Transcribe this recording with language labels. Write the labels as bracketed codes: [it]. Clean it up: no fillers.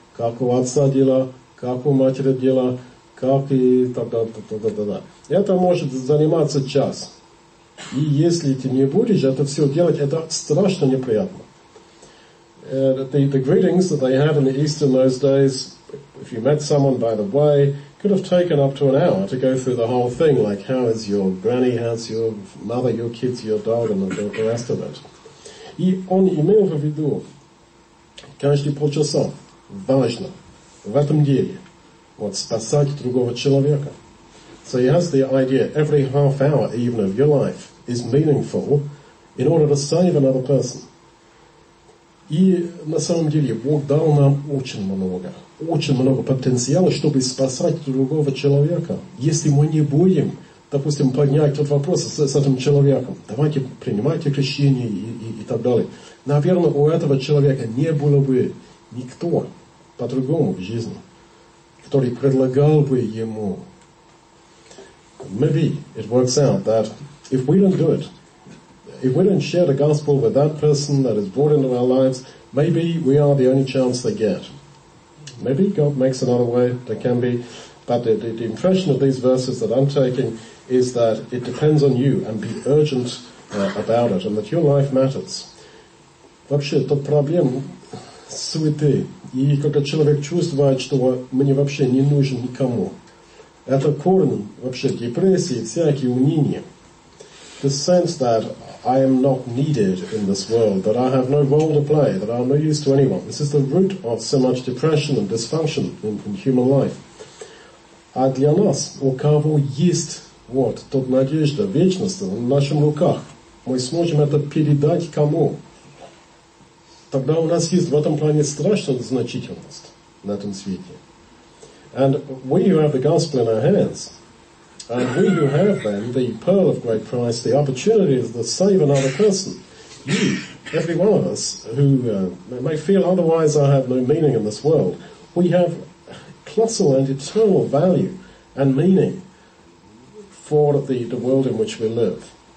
[ru] Как у отца дела? Как у матери дела, как и так далее. Это может заниматься час. И если ты не будешь это все делать, это страшно неприятно. [en] The greetings that they had in the East in those days, if you met someone by the way, could have taken up to an hour to go through the whole thing, like how is your granny, how's your mother, your kids, your dog, and the rest of it. [ru] И он имел в виду каждые полчаса. Важно. В этом деле. Вот спасать другого человека. [en] So he has the idea every half hour even of your life is meaningful in order to save another person. [ru] И на самом деле Бог дал нам очень много потенциала, чтобы спасать другого человека. Если мы не будем, допустим, поднять тот вопрос с этим человеком, давайте принимайте крещение и так далее. Наверное, у этого человека не было бы никто по-другому в жизни, который предлагал бы ему. [en] Maybe it works out that if we don't do it, if we don't share the gospel with that person that is brought into our lives, maybe we are the only chance they get. Maybe God makes another way, there can be. But the impression of these verses that I'm taking is that it depends on you, and be urgent about it, and that your life matters. [ru] Вообще, тот проблем суеты. И когда человек чувствует, что мне вообще не нужен никому. Это корень вообще депрессии, всякие уныния. [en] The sense that I am not needed in this world, that I have no role to play, that I'm no use to anyone. This is the root of so much depression and dysfunction in human life. [ru] А для нас, у кого есть вот тот надежда, вечность в наших руках, мы сможем это передать кому? Тогда у нас есть в этом плане страшная значительность на этом свете. [en] And we who have the gospel in our hands, and we who have then the pearl of great price, the opportunity to save another person, you, every one of us, who may feel otherwise I have no meaning in this world, we have colossal and eternal value and meaning for the world in which we live.